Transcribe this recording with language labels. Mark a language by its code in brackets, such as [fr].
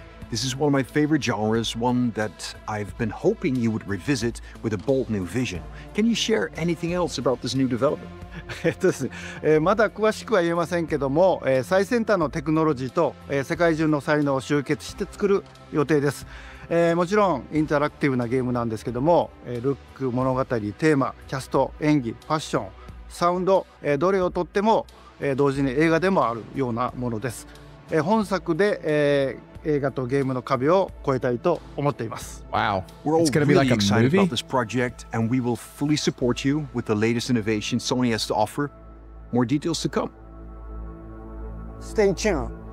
[en] This is one of my favorite genres, one that I've been hoping you would revisit with a bold new vision. Can you share anything else about this new development? [ja] まだ詳しくは言えませんけども、最先端のテクノロジーと世界中の才能を集結して作る予定です。もちろんインタラクティブなゲームなんですけども、ルック、物語、テーマ、キャスト、演技、ファッション、サウンド、どれをとっても同時に映画でもあるようなものです。本作で 映画とゲームの壁を越えたいと思っています。Wow, [en] I'm excited about this project, and we will fully support you with the latest innovation Sony has to offer. More details to come. Stay tuned.